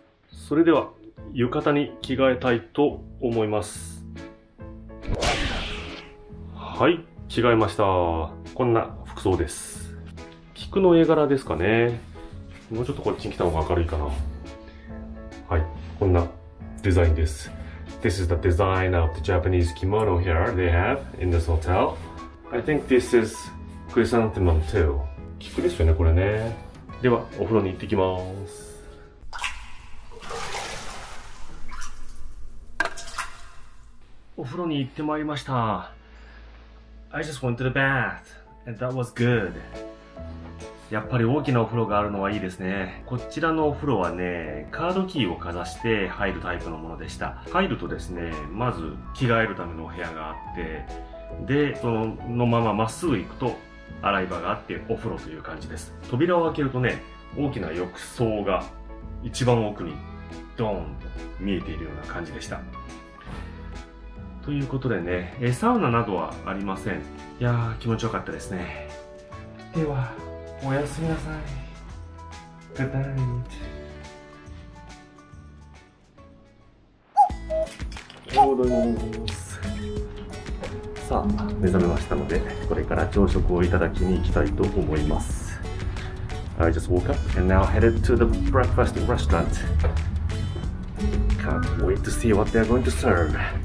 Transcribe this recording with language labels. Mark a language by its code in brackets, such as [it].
[ja] それでは浴衣に着替えたいと思います。はい、着替えました。こんな服装です。菊の絵柄ですかね。もうちょっとこっちに来た方が明るいかな。はい、こんなデザインです。 [en] This is the design of the Japanese kimono here they have in this hotel. I think this is chrysanthemum too. [ja] 菊ですよね、これね。ではお風呂に行ってきます。お風呂に行ってまいりました。 [en] I just went to the bath and that was good. [ja] やっぱり大きなお風呂があるのはいいですね。こちらのお風呂はね、カードキーをかざして入るタイプのものでした。入るとですね、まず着替えるためのお部屋があって、でそのまままっすぐ行くと洗い場があってお風呂という感じです。扉を開けるとね、大きな浴槽が一番奥にドーンと見えているような感じでした。ということでね、サウナなどはありません。いやー、気持ちよかったですね。では、おやすみなさい。 [en] Good night. [ja] おはようございます。さあ、目覚めましたので、これから朝食をいただきに行きたいと思います。 [en] I just woke up and now headed to the breakfast restaurant. Can't wait to see what they're going to serve.